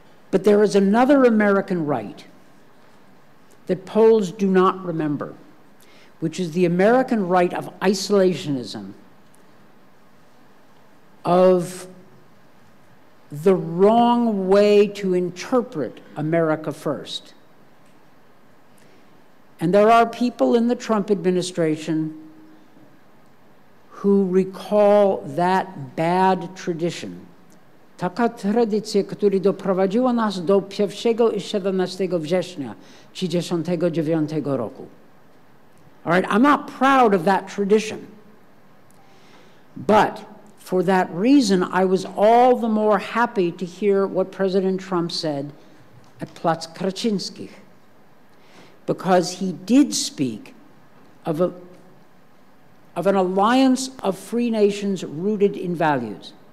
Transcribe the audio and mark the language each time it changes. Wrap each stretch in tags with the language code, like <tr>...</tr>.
<en>But there is another American right that Poles do not remember, which is the American right of isolationism, of the wrong way to interpret America first. And there are people in the Trump administration who recall that bad tradition.</en> <pl>Taka tradycja, która doprowadziła nas do 1 i 17 września 1939 roku.</pl> <en>All right, I'm not proud of that tradition. But for that reason, I was all the more happy to hear what President Trump said at Plac Kraczynskich, because he did speak of an alliance of free nations rooted in values.</en>